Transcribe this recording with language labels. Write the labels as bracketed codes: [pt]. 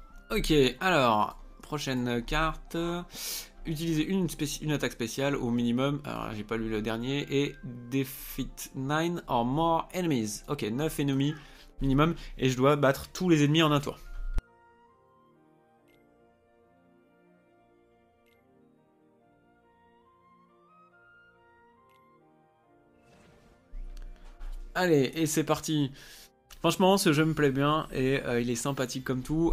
[fr] Ok, alors, prochaine carte. Utiliser une attaque spéciale au minimum. Alors, j'ai pas lu le dernier. [en] Et defeat 9 or more enemies. [fr] Ok, 9 ennemis minimum. Et je dois battre tous les ennemis en un tour. Allez, et c'est parti. Franchement, ce jeu me plaît bien et il est sympathique comme tout.